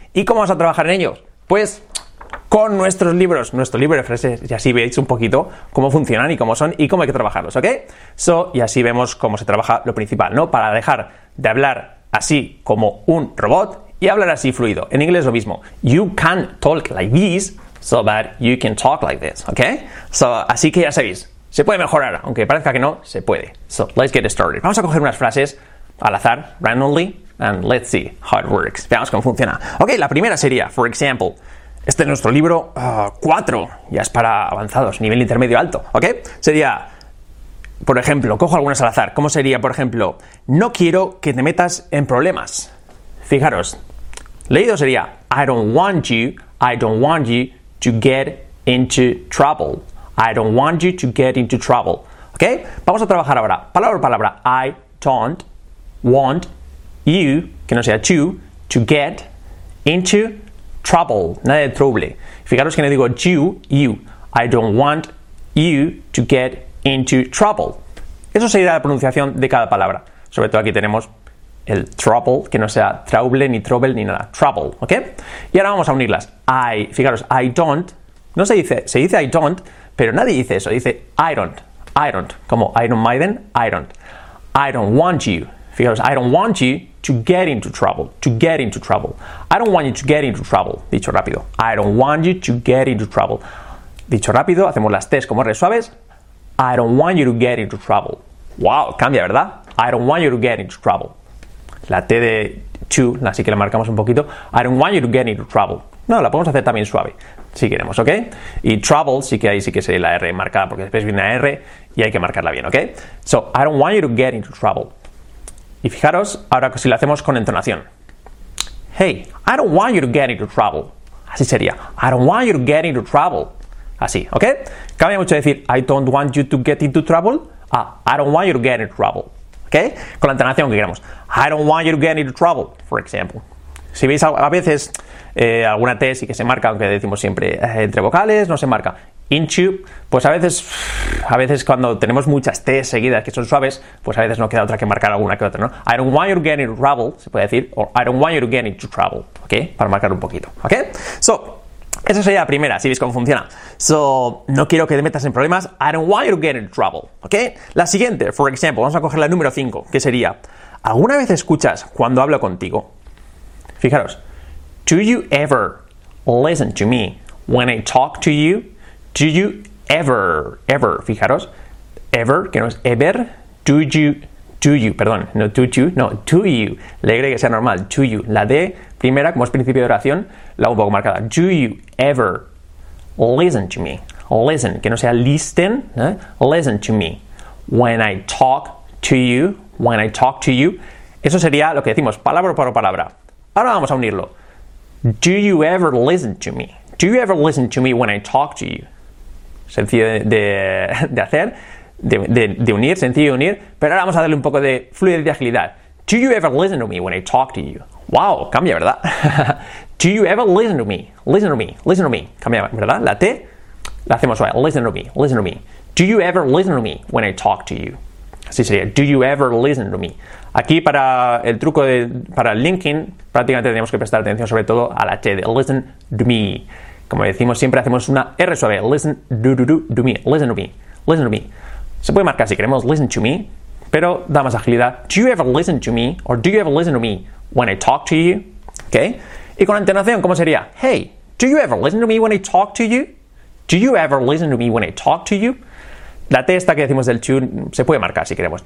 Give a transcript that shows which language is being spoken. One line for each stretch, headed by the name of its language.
Spanish: ¿Y cómo vamos a trabajar en ellos? Pues con nuestros libros, nuestro libro de frases, y así veis un poquito cómo funcionan y cómo son y cómo hay que trabajarlos, ¿ok? So, y así vemos cómo se trabaja lo principal, ¿no? Para dejar de hablar así como un robot y hablar así fluido. En inglés lo mismo.
English: You can talk like this so that you can talk like this, ¿ok?
Spanish: So, así que ya sabéis, se puede mejorar, aunque parezca que no, se puede. So,
English: let's get started.
Spanish: Vamos a coger unas frases al azar,
English: randomly, and let's see how it works.
Spanish: Veamos cómo funciona. Ok, la primera sería, for example, este es nuestro libro 4, ya es para avanzados, nivel intermedio alto, ¿ok? Sería, por ejemplo, cojo algunas al azar, ¿cómo sería, por ejemplo, no quiero que te metas en problemas? Fijaros, leído sería,
English: I don't want you to get into trouble, ¿ok?
Spanish: Vamos a trabajar ahora, palabra por palabra,
English: I don't want you,
Spanish: que no sea
English: to get into trouble,
Spanish: nada de trouble. Fijaros que no digo you.
English: I don't want you to get into trouble.
Spanish: Eso sería la pronunciación de cada palabra. Sobre todo aquí tenemos el trouble, que no sea trouble ni nada. Trouble, ¿ok? Y ahora vamos a unirlas.
English: I don't.
Spanish: No se dice, se dice
English: I don't,
Spanish: pero nadie dice eso. Dice I don't.
English: Como Iron Maiden, I don't. I don't want you. Fijaros, I don't want you to get into trouble. I don't want you to get into trouble.
Spanish: Dicho rápido.
English: I don't want you to get into trouble.
Spanish: Dicho rápido, hacemos las T's como R suaves.
English: I don't want you to get into trouble. Wow,
Spanish: cambia, ¿verdad?
English: I don't want you to get into trouble.
Spanish: La T de to, así que la marcamos un poquito.
English: I don't want you to get into trouble.
Spanish: No, la podemos hacer también suave, si queremos, ¿ok? Y trouble, sí que ahí sí que sería la R marcada, porque después viene la R y hay que marcarla bien, ¿ok?
English: So, I don't want you to get into trouble.
Spanish: Y fijaros, ahora si lo hacemos con entonación.
English: Hey, I don't want you to get into trouble.
Spanish: Así sería.
English: I don't want you to get into trouble. Así, ¿ok?
Spanish: Cambia mucho decir,
English: I don't want you to get into trouble. I don't want you to get into trouble. ¿Ok?
Spanish: Con la entonación que queramos.
English: I don't want you to get into trouble, for example.
Spanish: Si veis a veces alguna tesis que se marca, aunque decimos siempre entre vocales, no se marca. Into, pues a veces cuando tenemos muchas T seguidas que son suaves, pues a veces no queda otra que marcar alguna que otra, ¿no?
English: I don't want you to get into trouble,
Spanish: se puede decir, o
English: I don't want you to get into trouble, ¿ok?
Spanish: Para marcar un poquito, ¿ok? So, esa sería la primera, si veis cómo funciona.
English: So,
Spanish: no quiero que te metas en problemas,
English: I don't want you to get into trouble, ¿ok?
Spanish: La siguiente,
English: for example,
Spanish: vamos a coger la número 5, que sería, ¿alguna vez escuchas cuando hablo contigo? Fijaros,
English: do you ever listen to me when I talk to you?
Spanish: Do you ever, fijaros, ever, que no es ever, do you, la Y que sea normal, do you, la D primera, como es principio de oración, la un poco marcada,
English: do you ever listen to me, listen, que no sea listen, listen to me, when I talk to you, eso sería lo que decimos, palabra por palabra,
Spanish: ahora vamos a unirlo,
English: do you ever listen to me when I talk to you.
Spanish: Sencillo de hacer, de unir, sencillo de unir, pero ahora vamos a darle un poco de fluidez y agilidad.
English: Do you ever listen to me when I talk to you? Wow,
Spanish: cambia, ¿verdad?
English: Do you ever listen to me? Listen to me, listen to me. Cambia, ¿verdad?
Spanish: La T la hacemos suave.
English: Listen to me, listen to me. Do you ever listen to me when I talk to you?
Spanish: Así sería,
English: do you ever listen to me?
Spanish: Aquí para el truco de, para el linking, prácticamente tenemos que prestar atención sobre todo a la T de listen to me. Como decimos siempre, hacemos una R suave,
English: listen to me, listen to me, listen to me.
Spanish: Se puede marcar si queremos listen to me, pero da más agilidad.
English: Do you ever listen to me or do you ever listen to me when I talk to you? Okay.
Spanish: Y con entonación, ¿cómo sería?
English: Hey, do you ever listen to me when I talk to you? Do you ever listen to me when I talk to you?
Spanish: La T esta que decimos del to se puede marcar si queremos.